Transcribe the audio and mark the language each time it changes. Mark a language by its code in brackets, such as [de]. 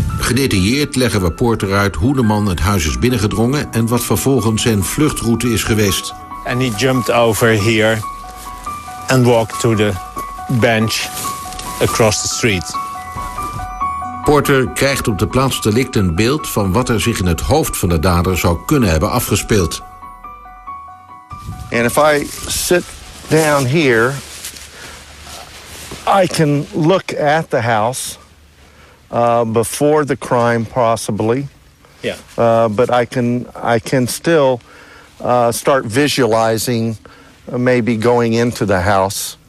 [nl] Gedetailleerd leggen we Porter uit hoe de man het huis is binnengedrongen en wat vervolgens zijn vluchtroute is geweest. [en] And he jumped over here and walked to the bench across the street. [nl] Porter krijgt op de plaats delict een beeld van wat er zich in het hoofd van de dader zou kunnen hebben afgespeeld. [en] And if I sit down here, I can look at the house before the crime possibly. Yeah. But I can still start visualizing maybe going into the house.